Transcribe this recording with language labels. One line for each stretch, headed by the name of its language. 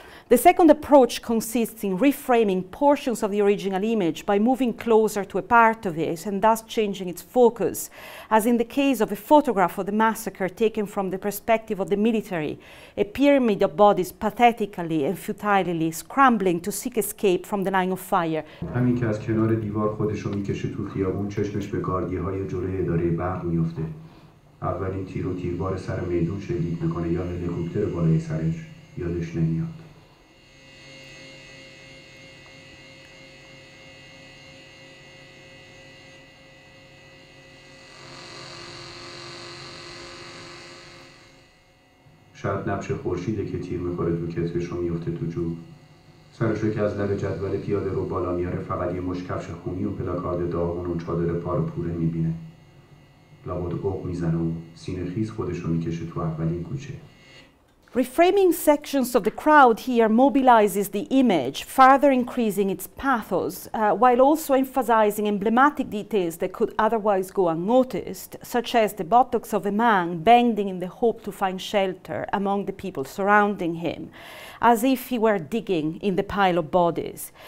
English: The second approach consists in reframing portions of the original image by moving closer to a part of it and thus changing its focus, as in the case of a photograph of the massacre taken from the perspective of the military, a pyramid of bodies pathetically and futilely scrambling to seek escape from the line of fire.
Persian: همین که از کنار دیوار خودشو میکشه تو خیابون چشمش به گاردی‌های جلوی اداره برق میفته. اولین تیر و تیربار سر میدون شلیک میکنه یا هلیکوپتر بالای سرش یادش نمیاد. شاید نبش خورشیده که تیر میخوره تو کتفش و میفته تو جوب. سرشو که از لب جدول پیاده رو بالا میاره فقط یه مشکفش خونی و پلاکارد داغون و چادر پارپوره میبینه. لابد اوق میزنه و سینه خیز خودشو میکشه تو اولین کوچه.
English: Reframing sections of the crowd here mobilizes the image, further increasing its pathos, while also emphasizing emblematic details that could otherwise go unnoticed, such as the buttocks of a man bending in the hope to find shelter among the people surrounding him, as if he were digging in the pile of bodies.